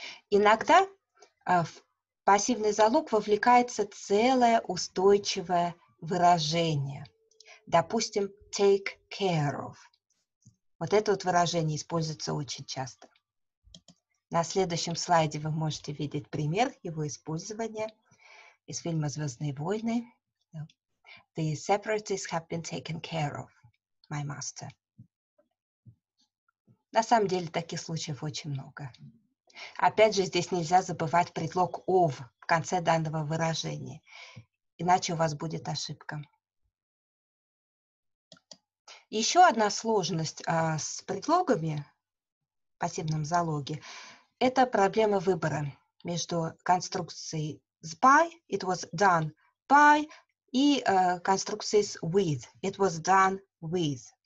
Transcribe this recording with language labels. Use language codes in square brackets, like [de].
[ru] Иногда в пассивный залог вовлекается целое устойчивое выражение. Допустим, [en] take care of. [ru] Вот это вот выражение используется очень часто. На следующем слайде вы можете видеть пример его использования из фильма «Звездные войны». [en] The separatists have been taken care of, my master. [ru] На самом деле таких случаев очень много. Опять же, здесь нельзя забывать предлог of в конце данного выражения, иначе у вас будет ошибка. Еще одна сложность с предлогами в пассивном залоге – это проблема выбора между конструкцией с by – [en] it was done by [ru] – и конструкцией с with – [en] it was done with.